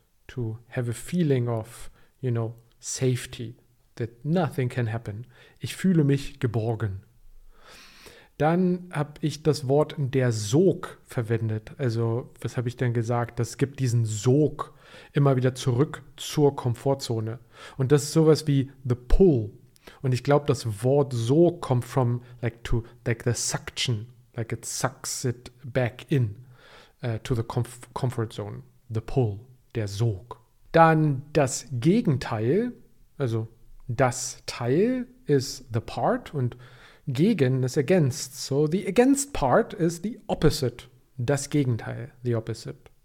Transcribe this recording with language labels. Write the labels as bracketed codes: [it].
[en] To have a feeling of, you know, safety, that nothing can happen. [de] Ich fühle mich geborgen. Dann habe ich das Wort der Sog verwendet. Also, was habe ich denn gesagt? Das gibt diesen Sog immer wieder zurück zur Komfortzone. Und das ist sowas wie [en] the pull. [de] Und ich glaube, das Wort Sog kommt [en] from like the suction, like it sucks it back in to the comfort zone, the pull. [de] Der Sog. Dann das Gegenteil, also das Teil ist [en] the part [de] und gegen ist [en] against. So the against part is the opposite, [de] das Gegenteil, [en] the opposite.